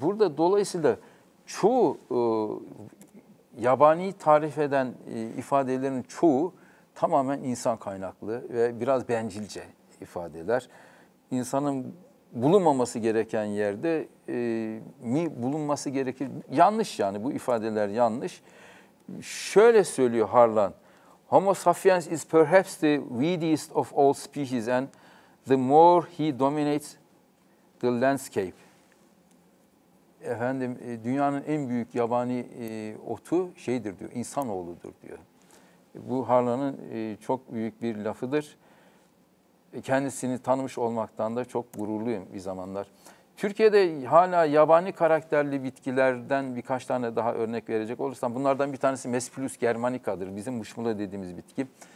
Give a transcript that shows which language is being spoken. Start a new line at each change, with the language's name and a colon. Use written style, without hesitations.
Turkish: Burada dolayısıyla çoğu yabani tarif eden ifadelerin çoğu tamamen insan kaynaklı ve biraz bencilce ifadeler. İnsanın bulunmaması gereken yerde mi bulunması gerekir? Yanlış yani, bu ifadeler yanlış. Şöyle söylüyor Harlan.
English: Homo sapiens is perhaps the weediest of all species and the more he dominates the landscape.
Turkish: Efendim, dünyanın en büyük yabani otu şeydir diyor, insanoğludur diyor. Bu Harlan'ın çok büyük bir lafıdır. Kendisini tanımış olmaktan da çok gururluyum bir zamanlar. Türkiye'de hala yabani karakterli bitkilerden birkaç tane daha örnek verecek olursam, bunlardan bir tanesi Mesplus germanica'dır, bizim mışmula dediğimiz bitki.